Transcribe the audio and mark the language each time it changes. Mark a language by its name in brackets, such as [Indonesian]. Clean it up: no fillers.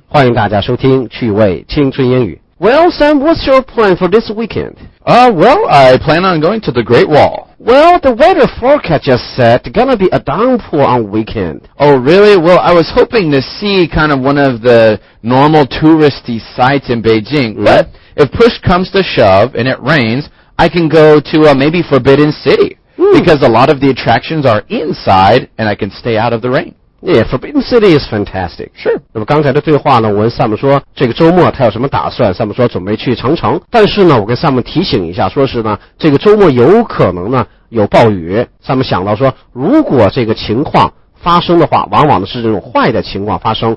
[Chinese] 欢迎大家收听趣味青春英语。 [English] Well, Sam, what's your plan for this weekend? Well, I plan on going to the Great Wall. Well, the weather forecast just said gonna be a downpour on weekend. Oh, really? Well, I was hoping to see kind of one of the normal touristy sites in Beijing. Mm-hmm. But if push comes to shove and it rains, I can go to maybe Forbidden City. Because a lot of the attractions are inside, and I can stay out of the rain. Yeah, Forbidden City is fantastic. Sure. [Chinese] 那么刚才的对话呢，我问 Sam 说，这个周末他有什么打算？ Sam 说准备去长城。但是呢，我跟 Sam 提醒一下，说是呢，这个周末有可能呢，有暴雨。 Sam 想到说，如果这个情况发生的话，往往是这种坏的情况发生。